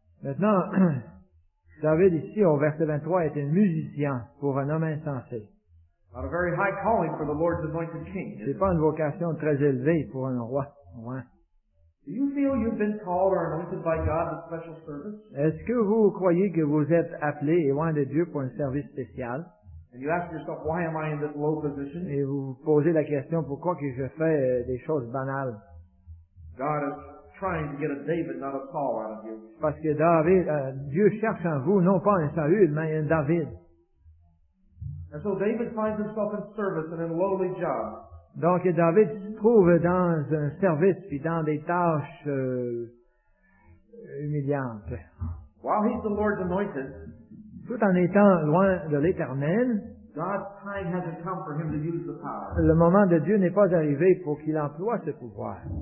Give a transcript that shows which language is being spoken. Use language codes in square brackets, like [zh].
[fr] Maintenant, David ici, au verset 23, est un musicien pour un homme insensé. [en] Not a very high calling for the Lord's anointed king. [fr] C'est pas une vocation très élevée pour un roi. Ouais. [en] Do you feel you've been called or anointed by God for special service? [fr] Est-ce que vous croyez que vous êtes appelé et loin de Dieu pour un service spécial? [en] And you ask yourself, why am I in this low position? [fr] Et vous vous posez la question, pourquoi que je fais des choses banales? [en] God is trying to get a David, not a Saul out of you. [fr] Parce que David, Dieu cherche en vous, non pas un Saül, mais un David. [en] And so David finds himself in service and in lowly jobs. [fr] Donc David se trouve dans un service puis dans des tâches humiliantes. [en] While he's the Lord's anointed, [fr] tout en étant loin de l'Éternel, le moment de Dieu n'est pas arrivé pour qu'il emploie ce pouvoir.